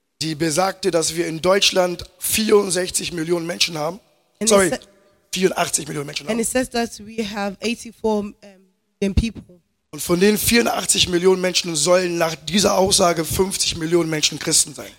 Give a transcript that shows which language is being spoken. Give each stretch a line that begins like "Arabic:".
German: Die besagte, dass wir in Deutschland 64 Millionen Menschen haben. Sorry, 84 Millionen Menschen haben.
English: And it says that we have 84 million people.
German: Und von den 84 Millionen Menschen sollen nach dieser Aussage 50 Millionen Menschen Christen sein.